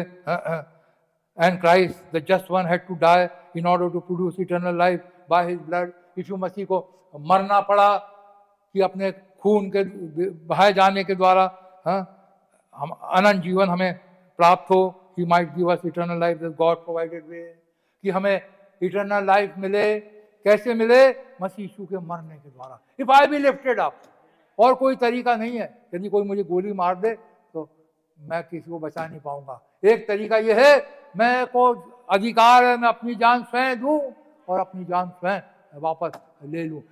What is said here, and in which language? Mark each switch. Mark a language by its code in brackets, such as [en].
[en] And Christ the just one had to die in order to produce eternal life by his blood. [hi] यीशु मसीह को मरना पड़ा कि अपने खून के बहाए जाने के द्वारा हम अनंत जीवन हमें प्राप्त हो. [en] He might give us eternal life that God provided way. [hi] कि हमें eternal life मिले. कैसे मिले? मसीह यीशु के मरने के द्वारा. [en] If I be lifted up, [hi] और कोई तरीका नहीं है. यदि कोई मुझे गोली मार दे तो मैं किसी को बचा नहीं पाऊंगा. एक तरीका यह है, मैं को अधिकार है, मैं अपनी जान स्वयं दूं और अपनी जान स्वयं वापस ले लूं.